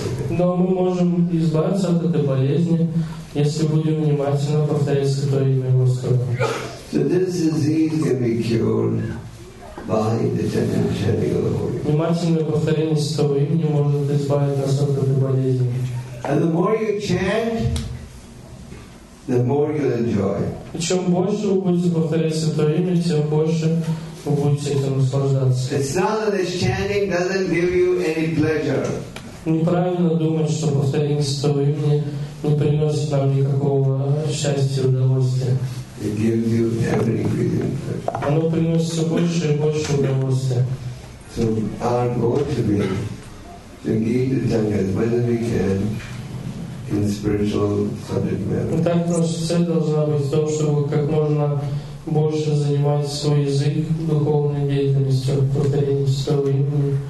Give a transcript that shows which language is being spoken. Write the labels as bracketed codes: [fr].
[ru] Но мы можем избавиться от этой болезни, если будем внимательно повторять святое имя Господа. [en] So this disease can be cured by the chanting of the holy name. [ru] Внимательное повторение святого имени может избавить нас от этой болезни. [en] And the more you chant, the more you enjoy. [ru] И чем больше вы будете повторять святое имя, тем больше вы будете этим наслаждаться. [en] It's not that this chanting doesn't give you any pleasure. [ru] Неправильно думать, что повторение святого имени не приносит нам никакого счастья и удовольствия. [en] It gives you every feeling. [ru] Оно приносит все больше и больше удовольствия. [en] So our goal should be to give the Sangha as much as we can in spiritual subject matter. [ru] Итак, наша цель должна быть в том, чтобы как можно больше занимать свой язык духовной деятельностью, повторением своего имени.